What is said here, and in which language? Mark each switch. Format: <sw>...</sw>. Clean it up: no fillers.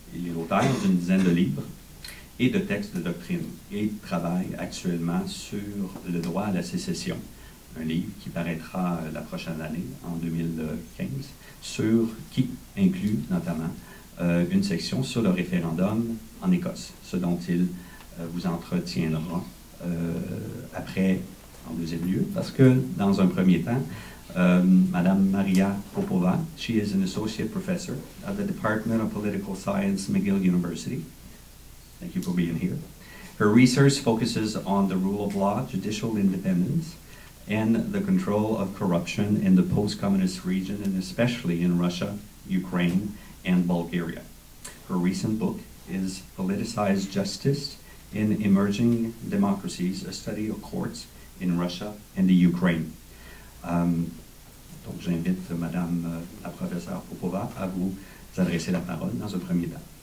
<fr>Il est auteur d'une dizaine de livres et de textes de doctrine et travaille actuellement sur le droit à la sécession, un livre qui paraîtra la prochaine année, en 2015, sur qui inclut notamment une section sur le référendum en Écosse, ce dont il vous entretiendra après, en deuxième lieu, parce que dans un premier temps,</fr> <en>Madame Maria Popova, she is an associate professor at the Department of Political Science, McGill University. Thank you for being here. Her research focuses on the rule of law, judicial independence, and the control of corruption in the post-communist region, and especially in Russia, Ukraine, and Bulgaria. Her recent book is Politicized Justice in Emerging Democracies, a Study of Courts in Russia and the Ukraine.</en> <fr>Donc, j'invite Madame la professeure Popova à vous adresser la parole dans un premier temps.</fr>